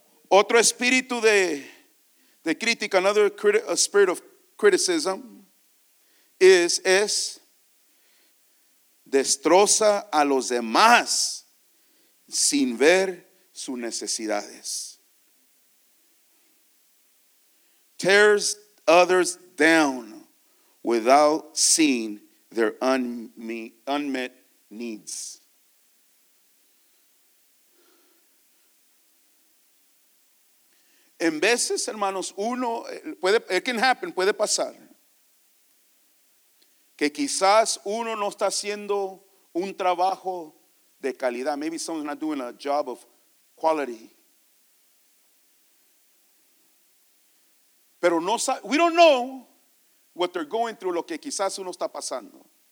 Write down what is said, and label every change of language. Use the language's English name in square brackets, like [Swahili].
[Spanish] Otro espíritu de crítica, [English] another spirit of criticism, [Spanish] es destroza a los demás sin ver sus necesidades. [English] Tears others down without seeing their unmet needs. [Spanish] En veces, hermanos, uno puede, [English] it can happen, [Spanish] puede pasar. Que quizás uno no está haciendo un trabajo de calidad. [English] Maybe someone's not doing a job of quality. [Spanish] Pero no, [English] we don't know what they're going through, [Spanish] lo que quizás uno está pasando.